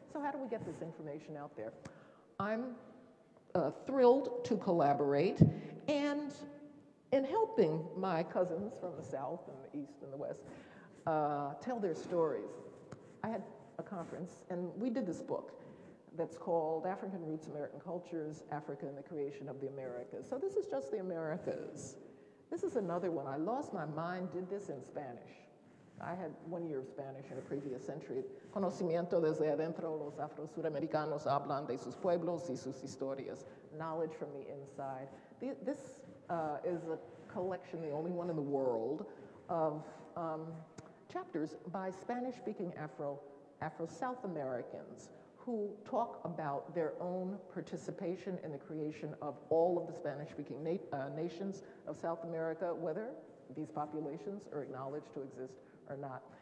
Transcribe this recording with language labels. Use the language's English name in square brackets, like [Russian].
[English] So how do we get this information out there? I'm thrilled to collaborate, and in helping my cousins from the South and the East and the West tell their stories, I had a conference, and we did this book that's called African Roots, American Cultures, Africa and the Creation of the Americas. So this is just the Americas. This is another one. I lost my mind, did this in Spanish. I had 1 year of Spanish in a previous century. [Spanish] Conocimiento desde adentro, los afro-suramericanos hablan de sus pueblos y sus historias. [English] Knowledge from the inside. This is a collection, the only one in the world, of chapters by Spanish-speaking Afro-South Americans who talk about their own participation in the creation of all of the Spanish-speaking nations of South America, whether these populations are acknowledged to exist or not.